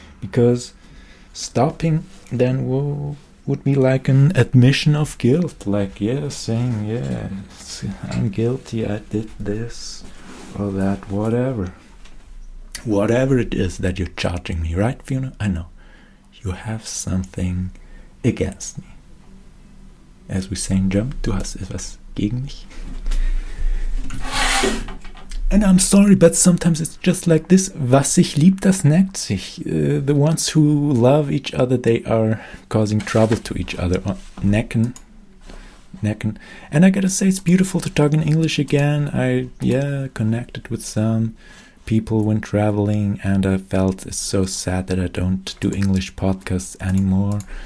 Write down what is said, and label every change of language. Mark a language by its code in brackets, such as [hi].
[en] Because stopping then would be like an admission of guilt, like, yeah, saying, yeah, I'm guilty, I did this or that, whatever. Whatever it is that you're charging me, right, Fiona? I know. You have something against me. As we say in German, [de] du hast etwas gegen mich. [en] And I'm sorry, but sometimes it's just like this. [de] Was sich liebt, das neckt sich. [en] The ones who love each other, they are causing trouble to each other. Necken. Necken. And I gotta say, it's beautiful to talk in English again. Yeah, connected with some people when traveling, and I felt it's so sad that I don't do English podcasts anymore.